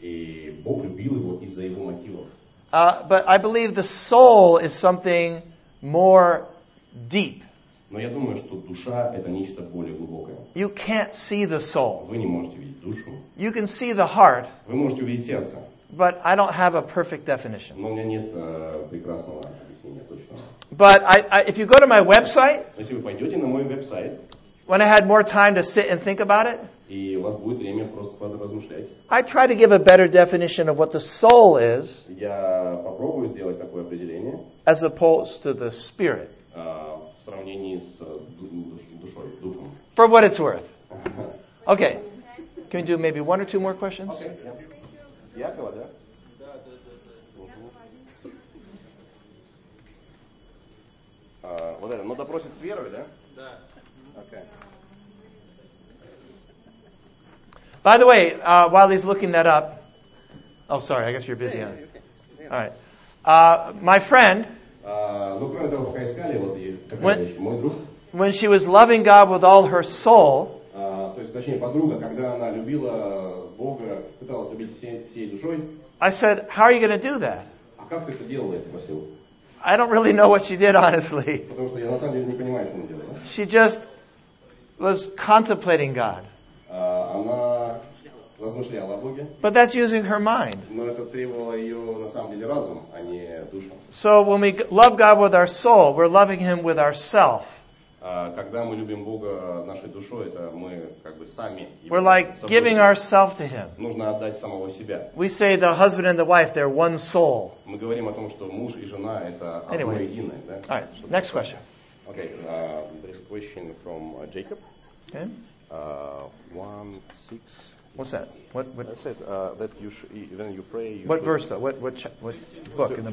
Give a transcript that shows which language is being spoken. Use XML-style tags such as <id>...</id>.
<en>But I believe the soul is something more deep.</en> <ru>Но я думаю, что душа – это нечто более глубокое.</ru> <en>You can't see the soul.</en> <ru>Вы не можете видеть душу.</ru> <en>You can see the heart.</en> <ru>Вы можете увидеть сердце.</ru> <en>But I don't have a perfect definition.</en> <ru>Но у меня нет прекрасного объяснения точного.</ru> <en>But if you go to my website,</en> <ru>если вы пойдете на мой веб-сайт,</ru> <en>when I had more time to sit and think about it,</en> <ru>и у вас будет время просто поразмышлять,</ru> <en>I try to give a better definition of what the soul is,</en> <ru>я попробую сделать такое определение,</ru> <en>as opposed to the spirit.</en> <ru>В сравнении с душой, духом.</ru> <en>For what it's worth. Okay. Can we do maybe one or two more questions? Okay. Yeah.</en> <ru>Якова, да? Да. Вот это, ну допросит с верой, да? Да.</ru> <en>Okay. By the way, while he's looking that up, oh, sorry, I guess you're busy. Yeah, on. Okay. All right. My friend,</en> <ru>ну, кроме того, пока искали, вот такая вещь, мой друг.</ru> <en>When she was loving God with all her soul,</en> <ru>то есть, точнее, подруга, когда она любила Бога, пыталась любить всей душой,</ru> <en>I said, how are you going to do that?</en> <ru>А как ты это делала, я спросил.</ru> <en>I don't really know what she did, honestly.</en> <ru>Потому что я на самом деле не понимаю, что она делала.</ru> <en>She just was contemplating God.</en> <ru>Она размышляла о Боге.</ru> <en>But that's using her mind.</en> <ru>Но это требовало ее, на самом деле, разум, а не душу.</ru> <en>So when we love God with our soul, we're loving Him with ourself.</en> <ru>Когда мы любим Бога нашей душой, это мы как бы сами.</ru> <en>We're like giving ourselves to Him.</en> <ru>Нужно отдать самого себя.</ru> <en>We say the husband and the wife, they're one soul.</en> <ru>Мы говорим о том, что муж и жена это одно единое, да?</ru> <en>All right. Next question. Okay. There is a question from Jacob. Okay. 1:6. What's that? What? I said that you when you pray. You what should, verse though? What book in the</en>